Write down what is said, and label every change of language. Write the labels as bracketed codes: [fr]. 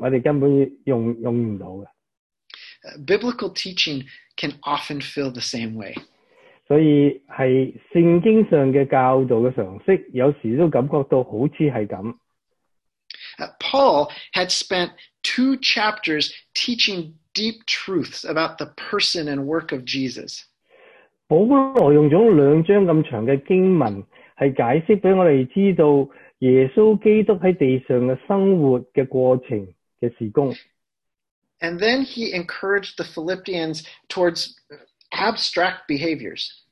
[zh] 所以我们学到这些数学的知识的时候,我们只留在班房而已,但在日常的生活里面,我们根本用不到的。 [en] Biblical teaching can often feel the same way. [zh] 所以是圣经上的教导的常识,有时都感觉到好像是这样。 [en] Paul had spent two chapters teaching deep truths about the person and work of Jesus. [zh] 保罗用了两章这么长的经文,是解释给我们知道耶稣基督在地上的生活的过程的事工。 [en] And then he encouraged the Philippians towards abstract behaviors.